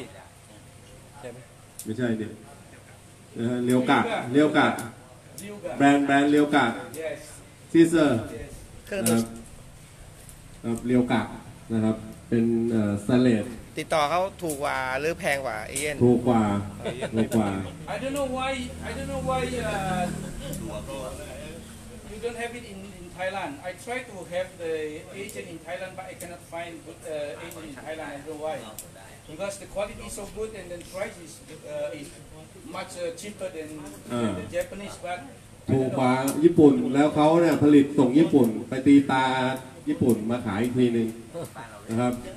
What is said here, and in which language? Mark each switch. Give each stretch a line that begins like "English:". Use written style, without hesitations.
Thai: ย์ใช่ไหมไม่ใช่เดี๋ยวเรียวกาดเรียวกาดแบรนด์เรียวกาดซีเซอร์นะครับเรียวกาดนะครับเป็นสแตนเลส ติดต่อเขาถูกกว่าหรือแพงกว่าเอเย่น ถูกกว่าถูกกว่า
English: I don't know why you don't have it in Thailand. I try to have the agent in Thailand but I cannot find good agent in Thailand. I don't know why. Because the quality is so good and the price is much cheaper than the Japanese. But
Thai: ถูกกว่าญี่ปุ่นแล้วเขาเนี่ยผลิตส่งญี่ปุ่นไปตีตาญี่ปุ่นมาขายอีกทีนึงนะครับ